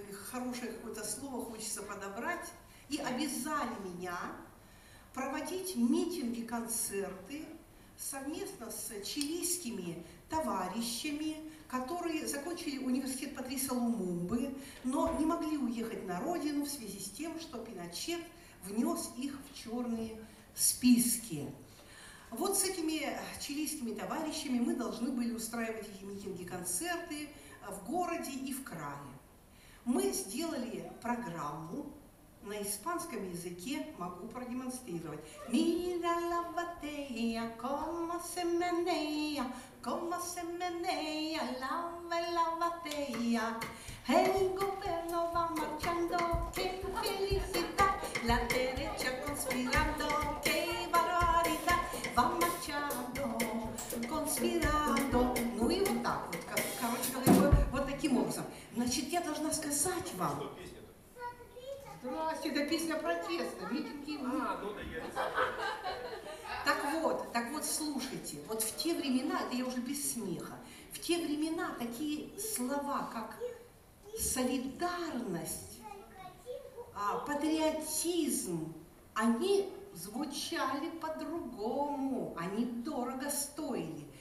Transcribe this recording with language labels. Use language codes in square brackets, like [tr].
[ru] Хорошее какое-то слово хочется подобрать, и обязали меня проводить митинги, концерты совместно с чилийскими товарищами, которые закончили университет Патриса Лумумбы, но не могли уехать на родину в связи с тем, что Пиночет внес их в черные списки. Вот с этими чилийскими товарищами мы должны были устраивать эти митинги, концерты в городе и в крае. Мы сделали программу на испанском языке, могу продемонстрировать. [es] Mira la botella, como se menea, lave la botella. El gobierno va marchando, qué felicidad, la derecha conspirando, qué barbaridad. Va marchando, conspirando. [ru] Ну и вот так вот, короче, вот таким образом. Значит, я должна сказать вам... Что песня-то? Здрасте, это песня протеста, митинги. А, ну да, я... Так вот, слушайте, вот в те времена, это я уже без смеха, в те времена такие слова, как солидарность, патриотизм, они звучали по-другому, они дорого стоили.